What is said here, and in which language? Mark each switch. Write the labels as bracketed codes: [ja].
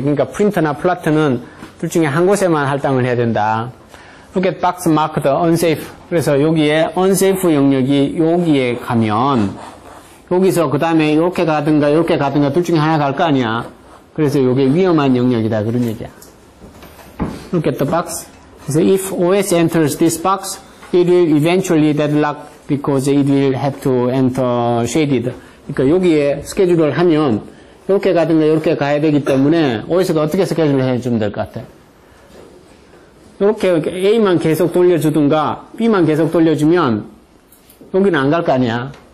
[ko] 그러니까 프린터나 플라트는 둘 중에 한 곳에만 할당을 해야 된다. [en] Look at box marked unsafe. [ko] 그래서 여기에 unsafe 영역이 여기에 가면 여기서 그 다음에 이렇게 가든가 이렇게 가든가 둘 중에 하나 갈 거 아니야. 그래서 요게 위험한 영역이다. 그런 얘기야. [en] Look at the box. [ko] 그래서 [en] if OS enters this box, it will eventually deadlock because it will have to enter shaded. [ko] 그러니까 여기에 스케줄을 하면 이렇게 가든가 이렇게 가야 되기 때문에 OS가 어떻게 스케줄을 해주면 될 것 같아? 이렇게 A만 계속 돌려주든가 B만 계속 돌려주면 여기는 안 갈 거 아니야.